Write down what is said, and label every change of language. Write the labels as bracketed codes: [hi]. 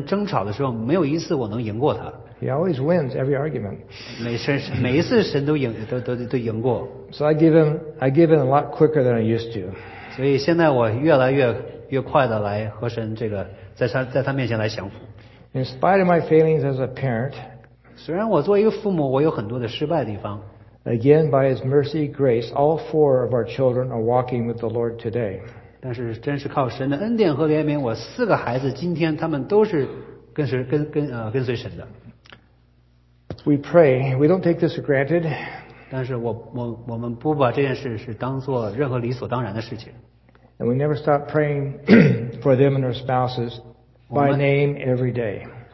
[zh] 我就发现我对神和神争吵的时候，没有一次我能赢过他。 [en] He always wins every argument. [zh] 每次神都赢过。 [en] So I give in a lot quicker than I used to. [zh] 所以现在我越来越快的来和神这个在他面前来降服。 [en] In spite of my failings as a parent, [zh] 虽然我作为一个父母，我有很多的失败的地方。 [en] Again, by His mercy, grace, all four of our children are walking with the Lord today. [zh] 但是真是靠神的恩典和怜悯，我四个孩子今天他们都是跟随神的。 [en] We pray. We don't take this for granted. [zh] 但是我们不把这件事是当作任何理所当然的事情。 [en] And we never stop praying for them and their spouses by name every day.